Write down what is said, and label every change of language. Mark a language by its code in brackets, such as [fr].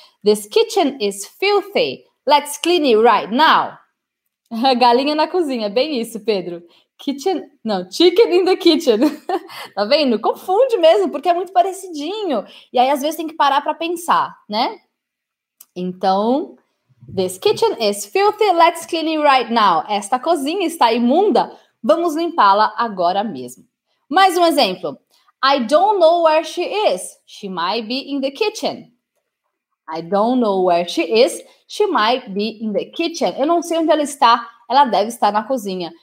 [en] This kitchen is filthy. Let's clean it right now. [pt] Galinha na cozinha, bem isso, Pedro. Kitchen, não, [en] chicken in the kitchen. [pt] Tá vendo? Confunde mesmo, porque é muito parecidinho. E aí, às vezes, tem que parar pra pensar, né? [en] Então, this kitchen is filthy, let's clean it right now. [pt] Esta cozinha está imunda, vamos limpá-la agora mesmo. Mais um exemplo. [en] I don't know where she is. She might be in the kitchen. I don't know where she is. She might be in the kitchen. [pt] Eu não sei onde ela está. Ela deve estar na cozinha.